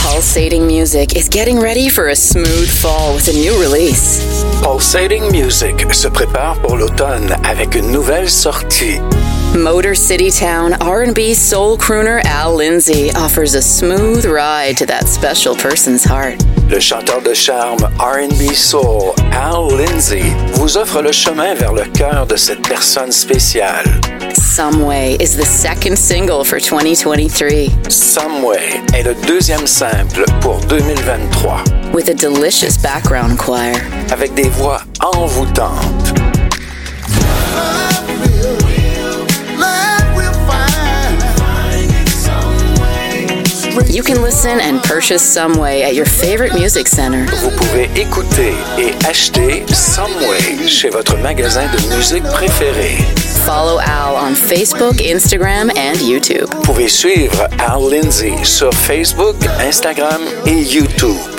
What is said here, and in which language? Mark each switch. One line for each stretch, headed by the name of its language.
English: Pulsating Music is getting ready for a smooth fall with a new release.
French: Pulsating Music se prépare pour l'automne avec une nouvelle sortie.
English: Motor City Town R&B soul crooner Al Lindsay offers a smooth ride to that special person's heart.
French: Le chanteur de charme R&B soul Al Lindsay vous offre le chemin vers le cœur de cette personne spéciale.
English: Some Way is the second single for 2023.
French: Some Way est le deuxième simple pour 2023.
English: With a delicious background choir.
French: Avec des voix envoûtantes.
English: You can listen and purchase Some Way at your favorite music center.
French: Vous pouvez écouter et acheter Some Way chez votre magasin de musique préféré.
English: Follow Al on Facebook, Instagram, and YouTube.
French: Vous pouvez suivre Al Lindsay sur Facebook, Instagram et YouTube.